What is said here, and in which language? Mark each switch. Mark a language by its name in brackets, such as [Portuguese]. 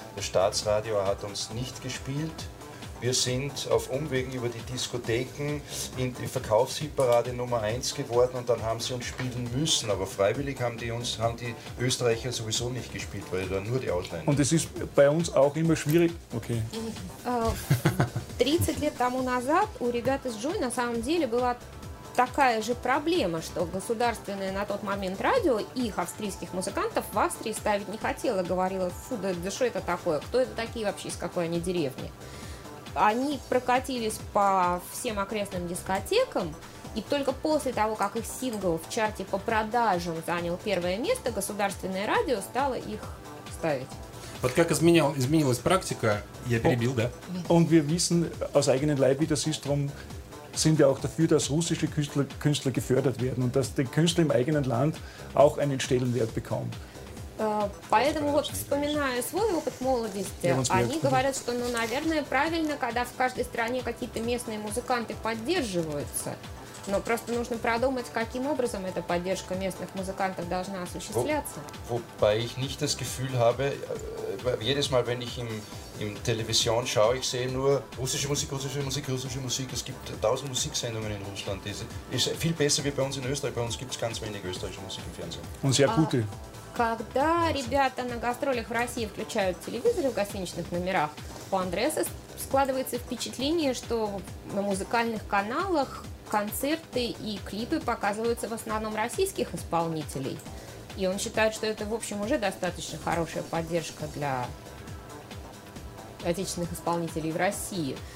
[German] Das Staatsradio hat uns nicht gespielt. Wir sind auf Umwegen über die Diskotheken in die Verkaufshitparade Nummer 1 geworden und dann haben sie uns spielen müssen. Aber freiwillig haben die Österreicher sowieso nicht gespielt, weil dann nur die Ausländer. Und es ist bei uns auch immer schwierig. Okay. [Russian] 30 лет тому назад у ребят из Joy на самом деле была такая же проблема, что государственное на тот момент радио их австрийских музыкантов в Австрии ставить не хотело. Говорила, фу, да что это такое? Кто это такие вообще, из какой они деревни? Они прокатились по всем окрестным дискотекам, и только после того, как их сингл в чарте по продажам занял первое место, государственное радио стало их поставить. Вот как изменилась практика, я перебил, да? [German] Und wir wissen aus eigenem Leib, wie das ist, drum sind wir auch dafür, dass russische Künstler gefördert werden und dass die Künstler im eigenen Land auch einen Stellenwert bekommen. [Russian] Поэтому вот вспоминая свой опыт молодости, они говорят, что, ну, наверное, правильно, когда в каждой стране какие-то местные музыканты поддерживаются. Но просто нужно продумать, каким образом эта поддержка местных музыкантов должна осуществляться. [German] Wobei ich nicht das Gefühl habe, jedes Mal, wenn ich im Television schaue, ich sehe nur russische Musik. Es gibt 1000 Musiksendungen in Russland. Das ist viel besser wie bei uns in Österreich. Bei uns gibt es ganz wenig österreichische Musik im Fernsehen. Und sehr gute. [Russian] Когда ребята на гастролях в России включают телевизор в гостиничных номерах, у Андреса складывается впечатление, что на музыкальных каналах концерты и клипы показываются в основном российских исполнителей. И он считает, что это, в общем, уже достаточно хорошая поддержка для отечественных исполнителей в России.